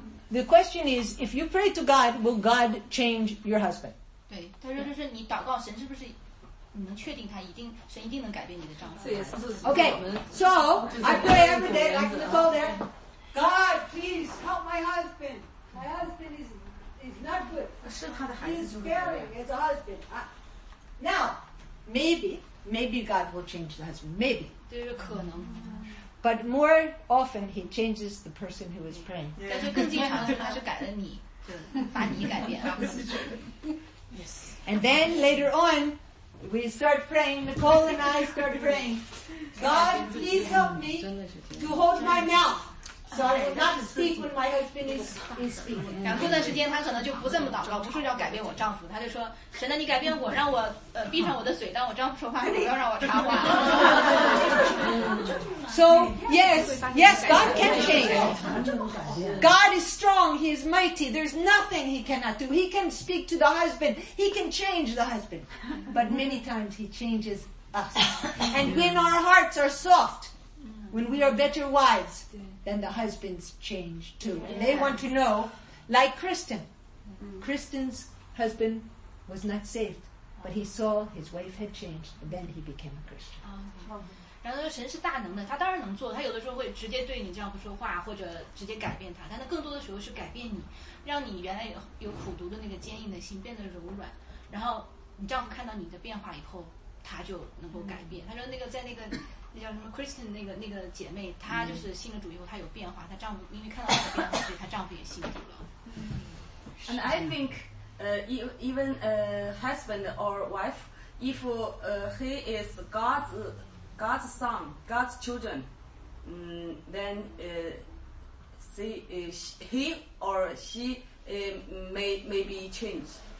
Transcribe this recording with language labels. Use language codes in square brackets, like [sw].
[en] The question is, if you pray to God, will God change your husband? [zh] 对，他说就是你祷告神是不是你能确定他一定神一定能改变你的丈夫？这也是自己。 [en] Okay, so I pray every day like Nicole there. God, please help my husband. My husband is not good. [zh] 是他的孩子就是。 [en] He's failing as a husband. Now, maybe God will change the husband. Maybe. [zh] 这是可能。 [en] But more often, he changes the person who is praying. [zh] 但是更经常的，他是改了你，就把你改变 [en] 了。Yes. And then later on, we start praying. Nicole and I start praying. God, please help me to hold my mouth, so I will not speak when my husband is speaking. [zh] 然后那段时间，他可能就不这么祷告，不是要改变我丈夫，他就说：“神啊，你改变我，让我闭上我的嘴，当我丈夫说话，不要让我插话。 [en] So, yes, God can change. God is strong, he is mighty, there's nothing he cannot do. He can speak to the husband, he can change the husband. But many times he changes us. And when our hearts are soft, when we are better wives, then the husbands change too. And they want to know, like Kristen. Kristen's husband was not saved, but he saw his wife had changed, and then he became a Christian. [zh] 然后神是大能的，他当然能做，他有的时候会直接对你丈夫说话，或者直接改变他，但他更多的时候是改变你，让你原来有苦毒的那个坚硬的心变得柔软，然后你丈夫看到你的变化以后，他就能够改变。他说那个在那叫什么 Kristen 那个姐妹，她就是信了主以后她有变化，她丈夫因为看到她的变化，所以她丈夫也信主了。 [en] And I think even husband or wife, if he is God's son, God's children, then he or she may be changed.